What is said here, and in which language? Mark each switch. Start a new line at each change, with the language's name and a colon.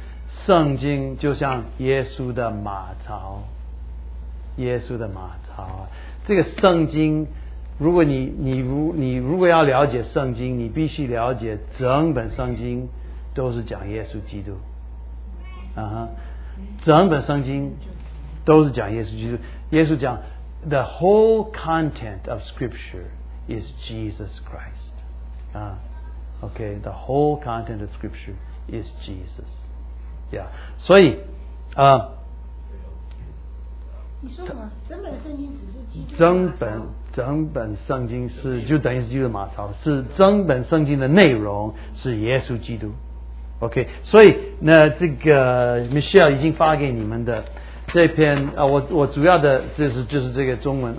Chinese: 圣经就像耶稣的马槽，耶稣的马槽。这个圣经，如果你如果要了解圣经，你必须了解整本圣经都是讲耶稣基督。整本圣经都是讲耶稣基督。耶稣讲
English: The whole content of scripture is Jesus Christ、okay, The whole content of scripture is Jesus、yeah.
Chinese: 所以你说什么？整本圣经只是基督的马槽？整本圣经是就等于是基督的马槽，是整本圣经的内容是耶稣基督。 OK, 所以那这个 Michelle 已经发给你们的这篇我主要的就是这个中文。